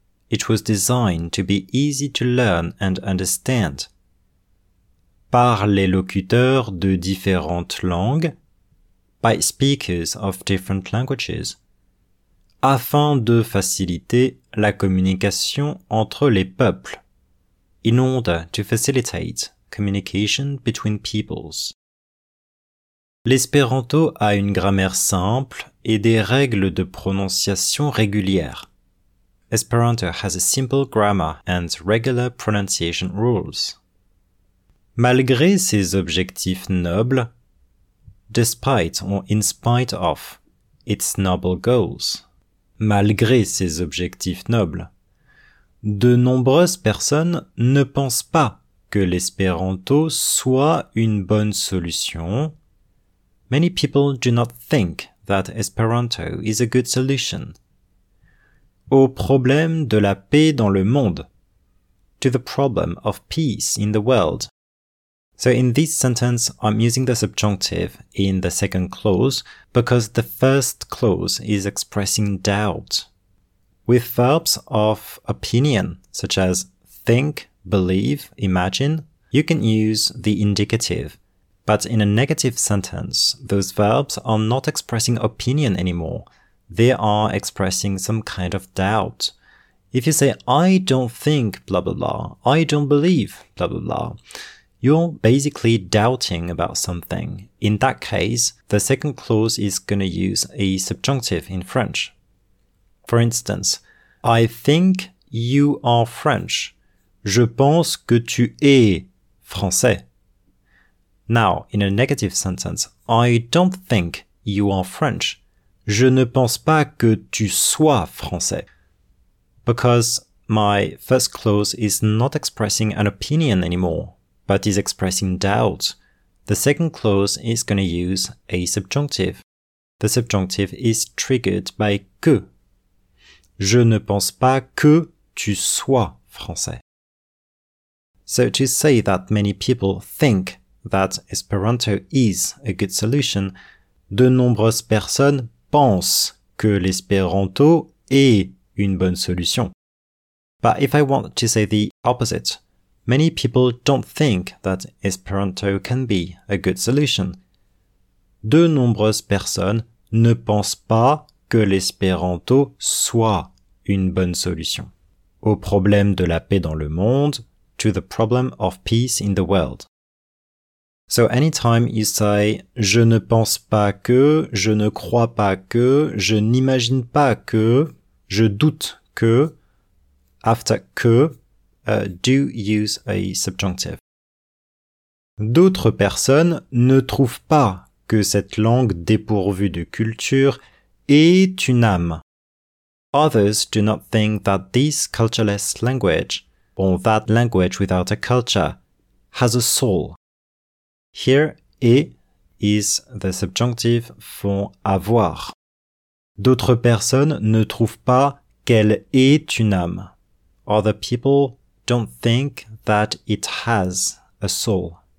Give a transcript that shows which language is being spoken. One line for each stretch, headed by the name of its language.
English: It was designed to be easy to learn and understand
French: par les locuteurs de différentes langues,
English: by speakers of different languages,
French: afin de faciliter la communication entre les peuples,
English: in order to facilitate communication between peoples.
French: L'espéranto a une grammaire simple et des règles de prononciation régulières.
English: Esperanto has a simple grammar and regular pronunciation rules.
French: Malgré ses objectifs nobles,
English: despite or in spite of its noble goals,
French: malgré ses objectifs nobles, de nombreuses personnes ne pensent pas que l'espéranto soit une bonne solution.
English: Many people do not think that Esperanto is a good solution.
French: Au problème de la paix dans le monde.
English: To the problem of peace in the world. So in this sentence, I'm using the subjunctive in the second clause because the first clause is expressing doubt. With verbs of opinion, such as think, believe, imagine, you can use the indicative. But in a negative sentence, those verbs are not expressing opinion anymore. They are expressing some kind of doubt. If you say, I don't think, blah, blah, blah, I don't believe, blah, blah, blah, you're basically doubting about something. In that case, the second clause is going to use a subjunctive in French. For instance, I think you are French.
French: Je pense que tu es français.
English: Now, in a negative sentence, I don't think you are French.
French: Je ne pense pas que tu sois français.
English: Because my first clause is not expressing an opinion anymore, but is expressing doubt. The second clause is going to use a subjunctive. The subjunctive is triggered by que.
French: Je ne pense pas que tu sois français.
English: So to say that many people think that Esperanto is a good solution,
French: de nombreuses personnes pensent que l'espéranto est une bonne solution.
English: But if I want to say the opposite, many people don't think that Esperanto can be a good solution.
French: De nombreuses personnes ne pensent pas que l'espéranto soit une bonne solution. Au problème de la paix dans le monde,
English: to the problem of peace in the world. So anytime you say,
French: je ne pense pas que, je ne crois pas que, je n'imagine pas que, je doute que,
English: after que, do use a subjunctive.
French: D'autres personnes ne trouvent pas que cette langue dépourvue de culture est une âme.
English: Others do not think that this cultureless language, or that language without a culture, has a soul. Here, et is the subjunctive for avoir.
French: D'autres personnes ne trouvent pas qu'elle est une âme.
English: Other people don't think that it has a soul.